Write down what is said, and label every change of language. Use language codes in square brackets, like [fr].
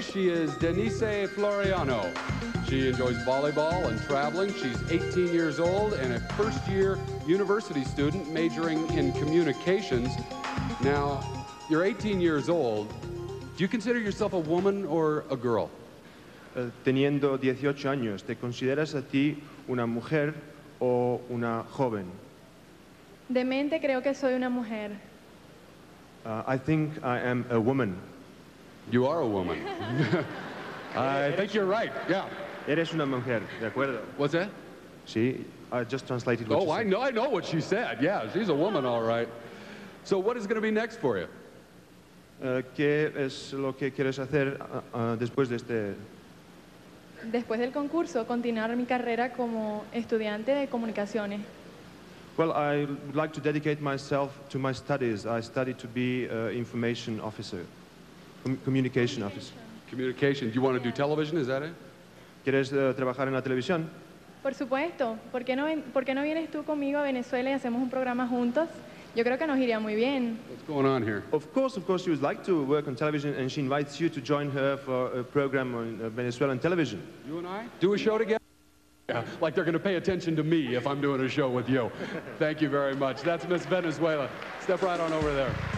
[en] She is Denisse Floreano. She enjoys volleyball and traveling. She's 18 years old and a first-year university student majoring in communications. Now, you're 18 years old. Do you consider yourself a woman or a girl? [es] Teniendo 18 años, ¿te consideras a ti una mujer o una joven? De mente creo que soy una mujer. [en] I think I am a woman. You are a woman. I think you're right, yeah. [es] Eres una mujer, de acuerdo. [en] What's that? [es] Sí, [en] I just translated what she said. Oh, I know what she said. Yeah, she's a woman, all right. So what is going to be next for you? [es] ¿Qué es lo que quieres hacer después de este...? Después del concurso, continuar mi carrera como estudiante de comunicaciones. [en] Well, I would like to dedicate myself to my studies. I study to be an information officer, communication officer. Communication. Do you want to do television? Is that it? [es] ¿Quieres trabajar en la televisión? Por supuesto. ¿Por qué no vienes tú conmigo a Venezuela y hacemos un programa juntos? Yo creo que nos iría muy bien. [en] What's going on here? Of course, she would like to work on television, and she invites you to join her for a program on Venezuelan television. You and I? Do a show together? Yeah, like they're going to pay attention to me if I'm doing a show with you. Thank you very much. That's Miss Venezuela. Step right on over there.